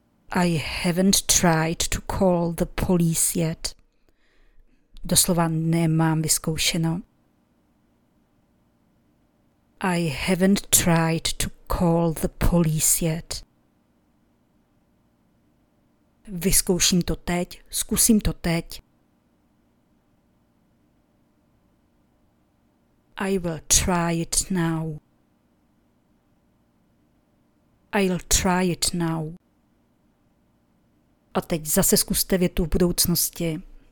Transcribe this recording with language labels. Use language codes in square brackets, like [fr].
[en] I haven't tried to call the police yet. [cs] Doslova nemám vyzkoušeno. [en] I haven't tried to call the police yet. [cs] Vyzkouším to teď, zkusím to teď. [en] I will try it now. I'll try it now. [cs] A teď zase zkuste větu v budoucnosti.